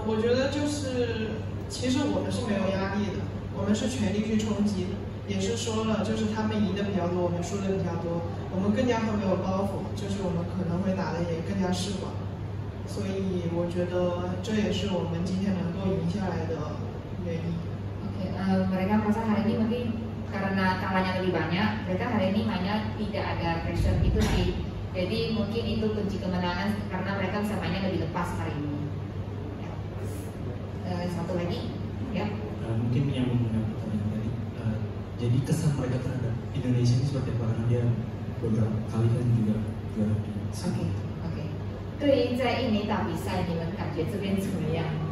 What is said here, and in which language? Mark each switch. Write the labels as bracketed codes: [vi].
[zh] 我觉得就是，其实我们是没有压力的，我们是全力去冲击，也是说了，就是他们赢的比较多，我们输的比较多，我们更加会没有包袱，就是我们可能会打的也更加释放。所以我觉得这也是我们今天能够赢下来的原因。 [id] Mereka merasa hari ini mungkin karena kalahnya lebih banyak, mereka hari ini mainnya tidak ada pressure itu sih. Jadi mungkin itu kunci kemenangan karena mereka bisa mainnya lebih lepas hari ini. Satu lagi, ya. Mungkin yang mengundang pertanyaan tadi. Jadi kesan mereka terhadap Indonesia ini seperti apa? Karena dia beberapa kali kan juga juara dunia. Oke. Okay. [zh] 对于在印尼打比赛，你们感觉这边怎么样？